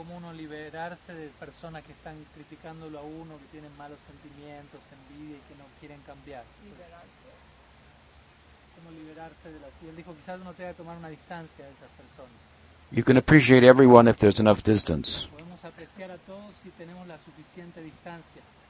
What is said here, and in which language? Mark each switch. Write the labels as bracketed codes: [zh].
[es] Liberarse de personas que están criticándolo a uno, que tienen malos sentimientos, envidia y que no quieren cambiar. Liberarse. ¿Cómo liberarse de las? Y él dijo, quizás uno tenga que tomar una distancia de esas personas. [en] You can appreciate everyone if there's enough distance. [es] Podemos apreciar a todos si tenemos la suficiente distancia.